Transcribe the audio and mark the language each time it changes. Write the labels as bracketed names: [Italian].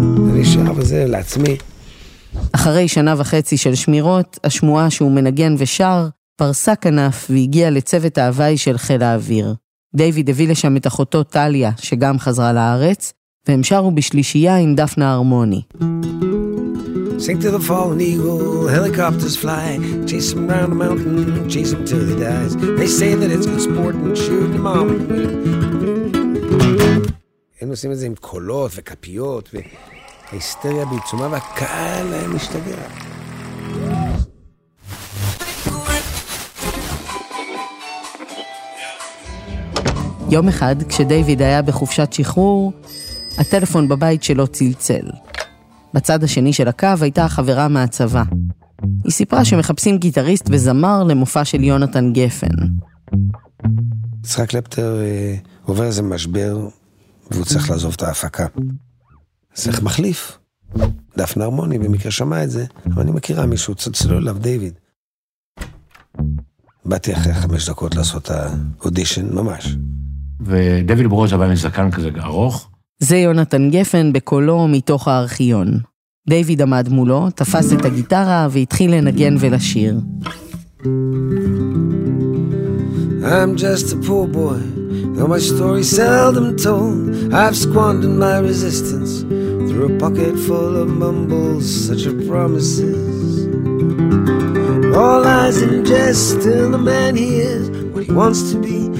[Hebrew] אני אשאר בזה לעצמי. אחרי שנה וחצי של שמירות, השמועה שהוא מנגן ושר, פרסה כנף והגיע לצוות ההווי של חיל האוויר. דיוויד הביא לשם את אחותו טליה, שגם חזרה לארץ, והם שרו בשלישייה עם דפנה הרמוני. [English] Sing to the fallen eagle, helicopters fly, chase them down the mountain, chase them till they dies. They say that it's good sport and shoot them all. [Hebrew] הם עושים את זה עם קולות וכפיות, וההיסטריה בעיצומה והקהל להם משתגע. יום אחד, כשדיוויד היה בחופשת שחרור, הטלפון בבית שלו צלצל. בצד השני של הקו הייתה החברה מהצבא. היא סיפרה שמחפשים גיטריסט וזמר למופע של יונתן גפן. יצחק קלפטר עובר איזה משבר, והוא צריך לעזוב את ההפקה. צריך מחליף. דפנה הרמוני במקרה שמע את זה, אבל אני מכירה מישהו, צלצלו אליו דיוויד. באתי אחרי 5 דקות לעשות האודישן, ממש. ודיוויד ברוז הבא עם זקן כזה ארוך. זה יונתן גפן בקולו מתוך הארכיון. דיוויד עמד מולו, תפס את הגיטרה והתחיל לנגן ולשיר. [English] I'm just a poor boy, though my story seldom told. I've squandered my resistance through a pocket full of mumbles, such a promises. All eyes in jest in the man he is, what he wants to be.